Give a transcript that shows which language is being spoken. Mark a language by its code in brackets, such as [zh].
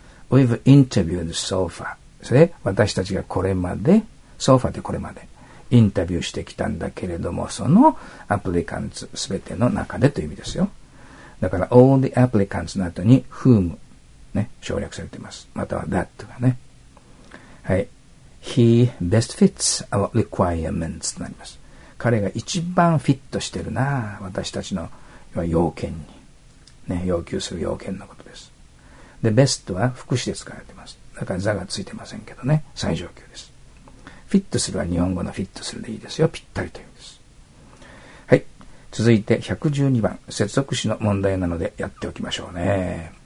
[en] We've interviewed so far、 [ja] それ私たちがこれまで、 so far でこれまでインタビューしてきたんだけれども、その applicants、 すべての中でという意味ですよ。だから [en] all the applicants [ja] の後に whom、 ね、省略されています。または that とかね。はい、 [en] He best fits our requirements [ja] となります。彼が一番フィットしてるな、私たちの要件に、ね、要求する要件のことです。で、best は副詞で使われています。だから座がついてませんけどね、最上級です。 fit するは日本語の fit するでいいですよ。ぴったりというんです。はい、続いて112番、接続詞の問題なのでやっておきましょうね。